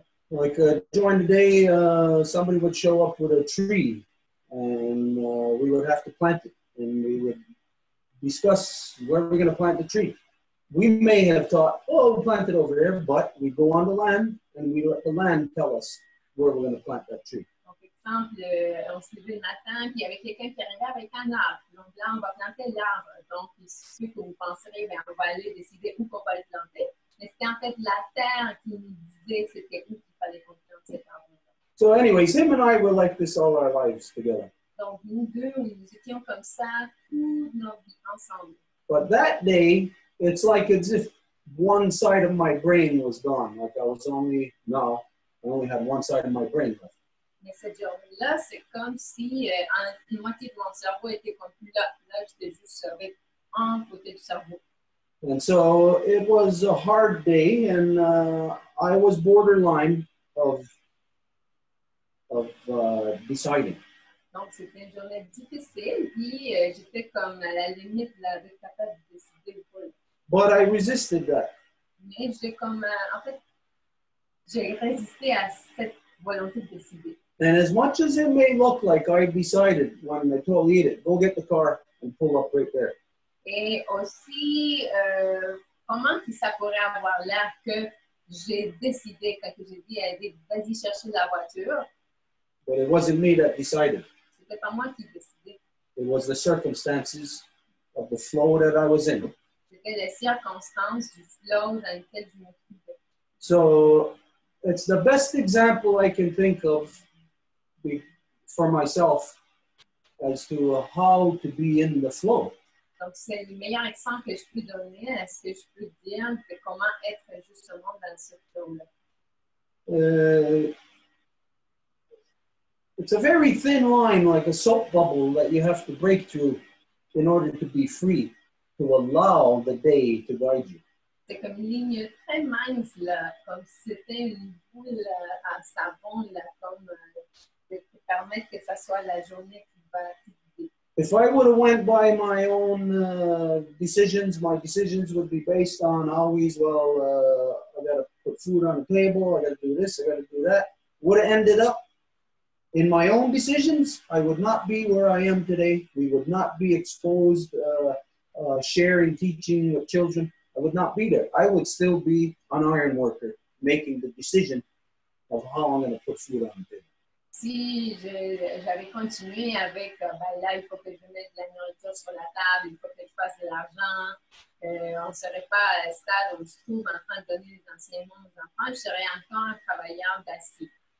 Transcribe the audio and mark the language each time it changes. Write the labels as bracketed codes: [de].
[en] Like during the day, somebody would show up with a tree and we would have to plant it and we would discuss where we're going to plant the tree. We may have thought, oh, we'll plant it over there, but we go on the land and we let the land tell us where we're going to plant that tree. [fr] Exemple, on se levait le matin, puis il y avait quelqu'un qui arrivait avec un arbre. Donc là, on va planter l'arbre. Donc, il suffit que vous penserez, bien, on va aller décider où qu'on va le planter. Mais c'était en fait la terre qui nous disait que c'était où qu'il fallait planter cet arbre-là. [en] So anyways, him and I were like this all our lives together. [fr] Donc, nous deux, nous étions comme ça toute notre vie ensemble. [en] But that day, it's like as if one side of my brain was gone. Like I was only, no, I only had one side of my brain left. [fr] Mais cette journée-là, c'est comme si une moitié de mon cerveau était comme plus là. Là, j'étais juste avec un côté du cerveau. [en] And so, it was a hard day, and I was borderline of deciding. [fr] Donc, c'était une journée difficile, et j'étais comme à la limite d'être capable de décider. [en] But I resisted that. [fr] Mais j'ai comme, en fait, j'ai résisté à cette volonté de décider. [en] And as much as it may look like I decided when I told Edith, go get the car and pull up right there. [fr] Et aussi, comment que ça pourrait avoir l'air que j'ai décidé, quand j'ai dit à Edith, vas-y chercher la voiture. [en] But it wasn't me that decided. [fr] C'était pas moi qui décidais. [en] It was the circumstances of the flow that I was in. [fr] C'était les circonstances du flow dans lequel je me trouvais. [en] So, it's the best example I can think of for myself as to how to be in the flow. [fr] Donc, c'est le meilleur exemple que je peux donner. Est-ce que je peux dire que comment être justement dans ce flow-là? [en] It's a very thin line, like a soap bubble, that you have to break through in order to be free, to allow the day to guide you. [fr] C'est comme une ligne très mince, là, comme c'était une boule à savon, là, comme qui permet que ça soit la journée qui va. [en] If I would have went by my own decisions, my decisions would be based on always, well, I got to put food on the table, I got to do this, I got to do that. Would have ended up in my own decisions, I would not be where I am today. We would not be exposed, sharing, teaching with children. I would not be there. I would still be an iron worker making the decision of how I'm going to put food on the table. [fr] Si j'avais continué avec, ben là, il faut que je mette de la nourriture sur la table, il faut que je fasse de l'argent, on ne serait pas à la stade où je trouve en train de donner des enseignements aux enfants, je serais encore un travailleur d'acier.